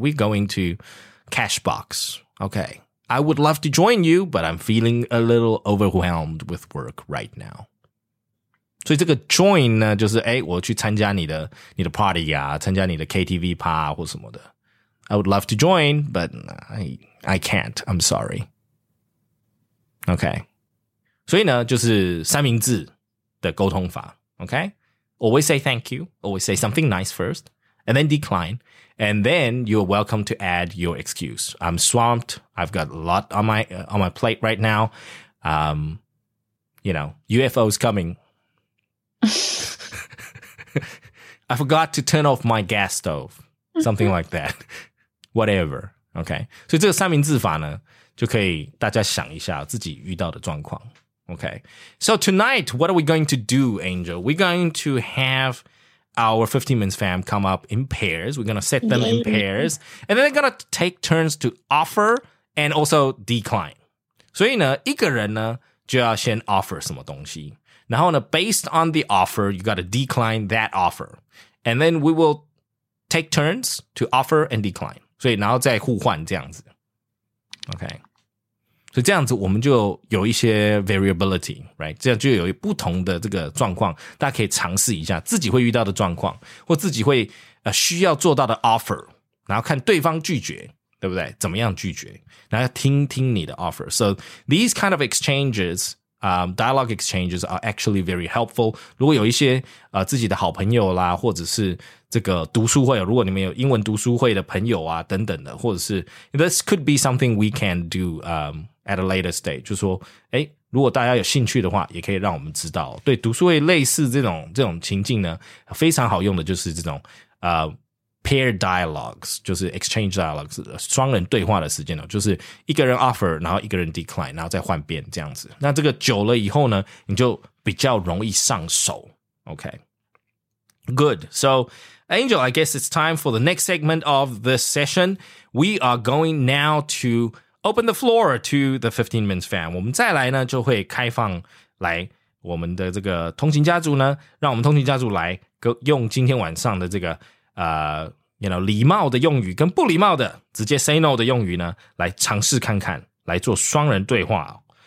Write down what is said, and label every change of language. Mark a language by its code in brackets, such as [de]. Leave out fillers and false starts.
[en] We're going to Cashbox. Okay. I would love to join you, but I'm feeling a little overwhelmed with work right now. [zh] 所以这个 join 呢就是哎，我去参加你的 party 啊，参加你的 KTV 趴或什么的。 [en] I would love to join, but I can't. I'm sorry. Okay. [zh] 所以呢就是三明治的沟通法 OK? [en] Always say thank you, always say something nice first, and then decline, and then you're welcome to add your excuse. I'm swamped, I've got a lot on my plate right now, you know, UFO's coming. I forgot to turn off my gas stove, something like that, whatever, OK? [zh] 所以这个三明治法呢就可以大家想一下自己遇到的状况。 [en] Okay, so tonight, what are we going to do, Angel? We're going to have our 15 Minutes fam come up in pairs. We're going to set them in pairs. And then they're going to take turns to offer and also decline. [zh] 所以呢，一个人呢，就要先 offer 什么东西。然后呢， [en] based on the offer, you got to decline that offer. And then we will take turns to offer and decline. [zh] 所以然后再互换这样子。 Okay. 所以这样子我们就有一些 variability, right? 这样就有不同的这个状况，大家可以尝试一下自己会遇到的状况或自己会需要做到的 offer, 然后看对方拒绝对不对怎么样拒绝然后听听你的 offer. [en] So these kind of exchanges, dialogue exchanges are actually very helpful. [zh] 如果有一些自己的好朋友啦或者是这个读书会如果你们有英文读书会的朋友啊等等的或者是 [en] this could be something we can do, at a later stage, [zh] 就是说诶如果大家有兴趣的话也可以让我们知道。对读书会类似这种情境呢非常好用的就是这种pair dialogues, 就是 exchange dialogues, 双人对话的时间呢就是一个人 offer, 然后一个人 decline, 然后再换边这样子。那这个久了以后呢你就比较容易上手。 [en] Okay. Good. So, Angel, I guess it's time for the next segment of this session. We are going now toOpen the floor to the 15 Minutes fam. [zh] 我们再来呢就会开放来我们的这个通勤家族呢让我们通勤家族来用今天晚上的这个 [en] you know, [zh] 礼貌的用语跟不礼貌的直接 say no 的用语呢来尝试看看来做双人对话。